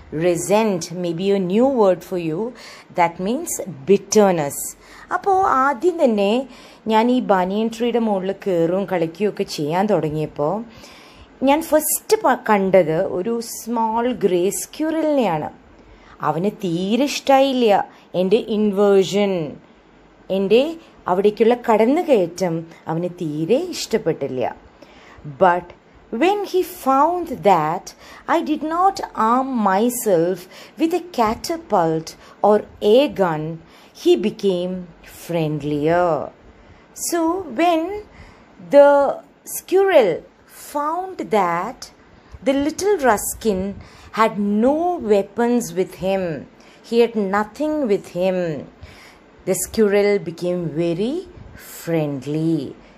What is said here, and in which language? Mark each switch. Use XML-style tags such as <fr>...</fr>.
<en>Resent may be a new word for you. That means bitterness.</en> <ml>അപ്പോൾ ആദ്യം തന്നെ ഞാൻ ഈ ബാനിയൻ ട്രീയുടെ മുകളിൽ കയറും കളിക്കുകയൊക്കെ ചെയ്യാൻ തുടങ്ങിയപ്പോൾ ഞാൻ ഫസ്റ്റ് കണ്ടത് ഒരു സ്മോൾ ഗ്രേ സ്ക്യൂറലിനെയാണ്. അവന് തീരെ ഇഷ്ടമായില്ല എൻ്റെ ഇൻവേർഷൻ, എൻ്റെ അവിടേക്കുള്ള കടന്നു കയറ്റം അവന് തീരെ ഇഷ്ടപ്പെട്ടില്ല.</ml> <en>But when he found that I did not arm myself with a catapult or a gun, he became friendlier. So when the squirrel found that the little Ruskin had no weapons with him, he had nothing with him, the squirrel became very friendly.</en>